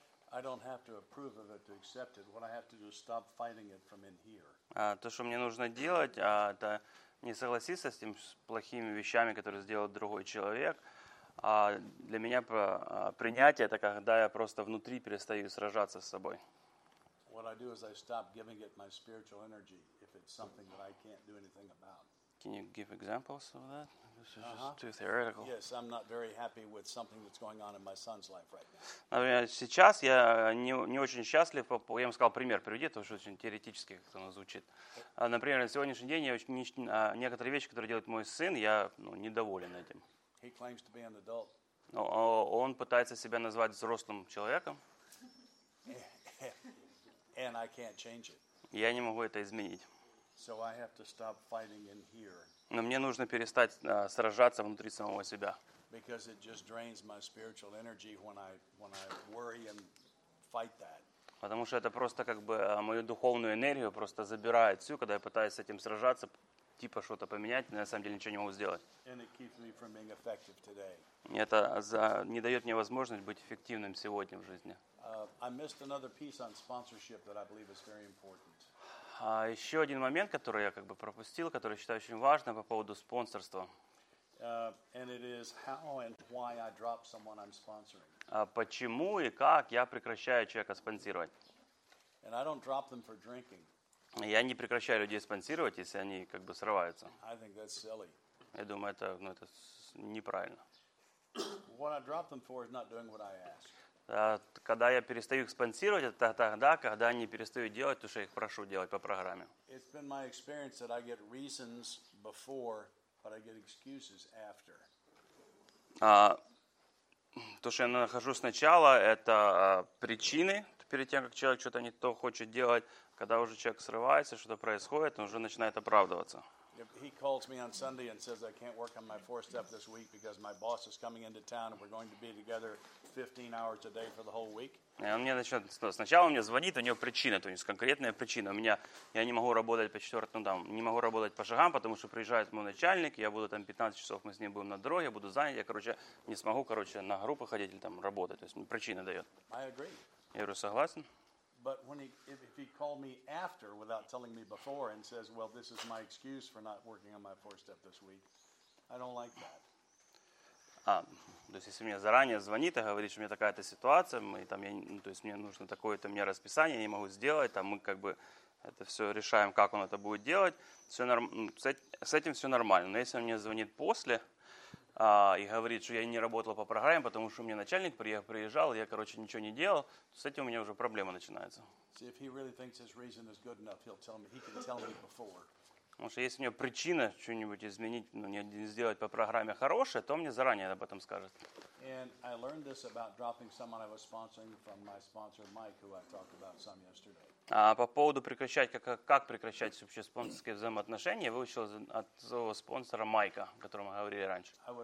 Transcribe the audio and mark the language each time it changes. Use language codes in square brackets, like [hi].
[en] I don't have to approve of it to accept it. What I have to do is stop fighting it from in here. [ru] То, что мне нужно делать, это не согласиться с теми плохими вещами, которые сделал другой человек. Для меня принятие – это когда я просто внутри перестаю сражаться с собой. [en] What I do is I stop giving it my spiritual energy if it's something that I can't do anything about. Can you give examples of that? This is just too theoretical. Yes, I'm not very happy with something that's going on in my son's life right now. [ru] Например, сейчас я не очень счастлив. Я ему сказал пример приведи, потому что очень теоретически как-то оно звучит. Например, на сегодняшний день некоторые вещи, которые делает мой сын, я недоволен этим. [en] He claims to be an adult. [ru] Но он пытается себя назвать взрослым человеком. [en] And I can't change it. [ru] Я не могу это изменить. [en] So I have to stop fighting in here. [ru] Но мне нужно перестать сражаться внутри самого себя. [en] Because it just drains my spiritual energy when I worry and fight that. [ru] Потому что это просто мою духовную энергию просто забирает всю, когда я пытаюсь с этим сражаться, что-то поменять, но на самом деле ничего не могу сделать. [en] And it keeps me from being effective today. [ru] Это не дает мне возможность быть эффективным сегодня в жизни. [en] I missed another piece on sponsorship that I believe is very important. [ru] Еще один момент, который я пропустил, который считаю очень важным по поводу спонсорства. [en] And it is how and why I drop someone I'm sponsoring. [ru] Почему и как я прекращаю человека спонсировать? [en] And I don't drop them for drinking. [ru] Я не прекращаю людей спонсировать, если они как бы срываются. [en] I think that's silly. [ru] Я думаю, это, ну, это неправильно. [en] What I drop them for is not doing what I ask. [ru] Когда я перестаю их спонсировать, это тогда, когда они перестают делать то, что я их прошу делать по программе. [en] It's been my experience that I get reasons before, but I get excuses after. [ru] То, что я нахожу сначала, это причины перед тем, как человек что-то не то хочет делать. Когда уже человек срывается, что-то происходит, он уже начинает оправдываться. [en] If he calls me on Sunday and says I can't work on my four step this week because my boss is coming into town and we're going to be together 15 hours a day for the whole week. [ru] Он мне начинает, сначала он мне звонит, у него причина, то есть конкретная причина. У меня, я не могу работать по четвертому, ну, там, не могу работать по шагам, потому что приезжает мой начальник, я буду там 15 часов, мы с ним будем на дороге, буду занят, я, короче, не смогу, короче, на группу ходить или там работать. То есть мне причина дает. [en] I agree. [ru] Я говорю, согласен. [en] But when he, if he called me after without telling me before and says, well, this is my excuse for not working on my four step this week, I don't like that. [ru] То есть если мне заранее звонит и говорит, что у меня такая-то ситуация, мы там, я, ну, то есть мне нужно такое-то мне расписание, я не могу сделать, там мы как бы это все решаем, как он это будет делать, все с этим все нормально. Но если он мне звонит после и говорит, что я не работал по программе, потому что у меня начальник приезжал, я, короче, ничего не делал, то с этим у меня уже проблема начинается. [en] See, if he really thinks his reason is good enough, he'll tell me, he can tell me before. [ru] Потому что если у него причина что-нибудь изменить, ну, не сделать по программе хорошее, то он мне заранее об этом скажет. [en] And I learned this about dropping someone I was sponsoring from my sponsor Mike, who I talked about some yesterday. [ru] А по поводу прекращать, как прекращать вообще спонсорские взаимоотношения, я выучил от своего спонсора Майка, о котором мы говорили раньше.